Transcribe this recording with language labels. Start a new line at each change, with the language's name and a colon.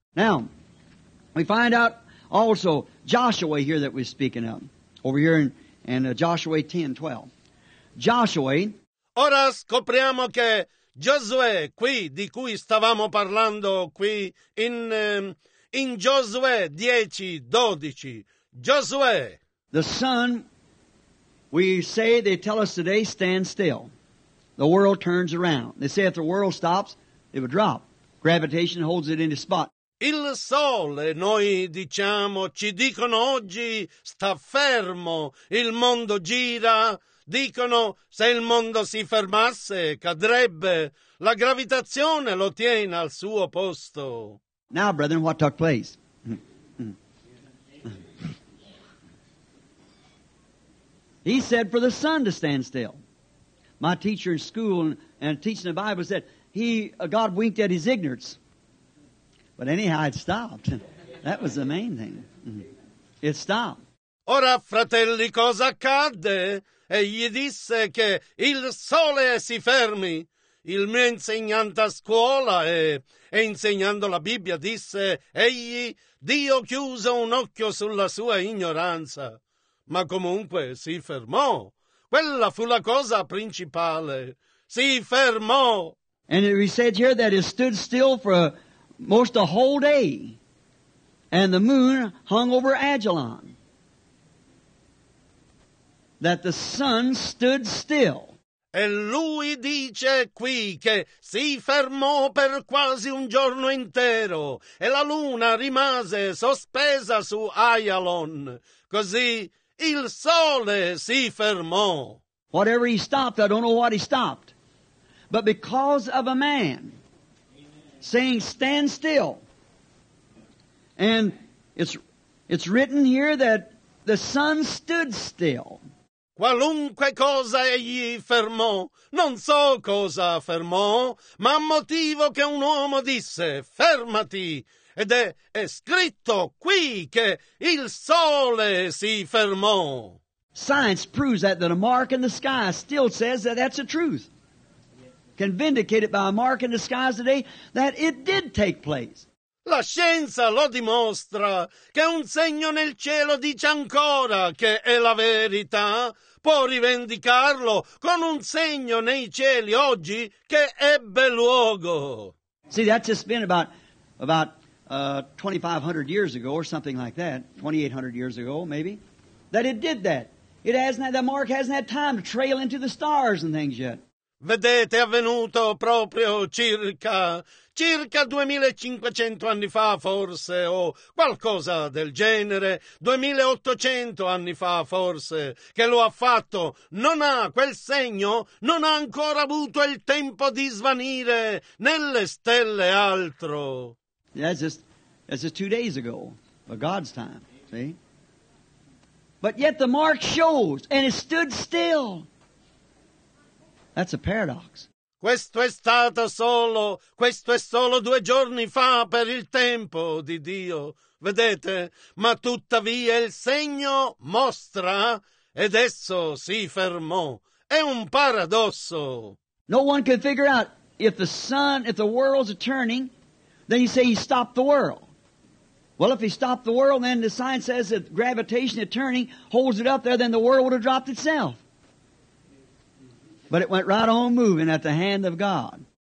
English: Now, we find out also Joshua here that we're speaking of, over here in Joshua 10:12. Joshua.
Italian: Ora scopriamo che Giosuè, qui, di cui stavamo parlando qui in Giosuè 10:12, Giosuè.
English: The sun, we say, they tell us today, stands still. The world turns around. They say if the world stops, it would drop. Gravitation holds it in its spot.
Italian: Il sole, noi diciamo, ci dicono oggi, sta fermo. Il mondo gira. Dicono, se il mondo si fermasse, cadrebbe. La gravitazione lo tiene al suo posto.
English: Now, brethren, what took place? He said for the sun to stand still. My teacher in school and teaching the Bible said, God winked at his ignorance. But anyhow, it stopped. That was the main thing. It stopped.
Italian: Ora, fratelli, cosa accadde? E gli disse che il sole si fermi. il mio insegnante a scuola e insegnando la Bibbia disse, egli, Dio chiuse un occhio sulla sua ignoranza, ma comunque si fermò. Quella fu la cosa principale. Si fermò.
English: And we said here that it stood still for most a whole day, and the moon hung over Ajalon, that the sun stood still.
Italian: E lui dice qui che si fermò per quasi un giorno intero, e la luna rimase sospesa su Ajalon. Così il sole si fermò.
English: Whatever he stopped, I don't know what he stopped. But because of a man saying, stand still. And it's written here that the sun stood still.
Italian: Qualunque cosa egli fermò, non so cosa fermò, ma motivo che un uomo disse, fermati. Ed è scritto qui che il sole si fermò.
English: Science proves that a mark in the sky still says that that's the truth. Can vindicate it by a mark in the skies today that it did take place.
Italian: La scienza lo dimostra che un segno nel cielo dice ancora che è la verità. Può rivendicarlo con un segno nei cieli oggi che ebbe luogo.
English: See, that's just been about 2,500 years ago or something like that, 2,800 years ago maybe, that it did that. It hasn't had, that mark hasn't had time to trail into the stars and things yet.
Italian: Vedete, è avvenuto proprio circa 2500 anni fa forse, o qualcosa del genere, 2800 anni fa forse, che lo ha fatto. Non ha quel segno, non ha ancora avuto il tempo di svanire nelle stelle altro.
English: That's just 2 days ago, for God's time, see? But yet the mark shows, and it stood still. That's a paradox.
Italian: Questo è solo 2 giorni fa per il tempo di Dio, vedete? Ma tuttavia il segno mostra ed esso si fermò. È un paradosso.
English: No one can figure out if the world's turning, then you say he stopped the world. Well, if he stopped the world, then the science says that gravitation is turning, holds it up there, then the world would have dropped itself. But it went right on moving at the hand of God.